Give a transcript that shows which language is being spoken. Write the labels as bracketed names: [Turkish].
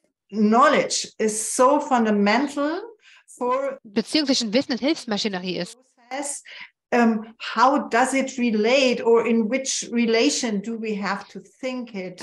[English] Knowledge is so fundamental for [German] Beziehung zwischen Wissen und Hilfsmaschinerie ist. [English] How does it relate or in which relation do we have to think it?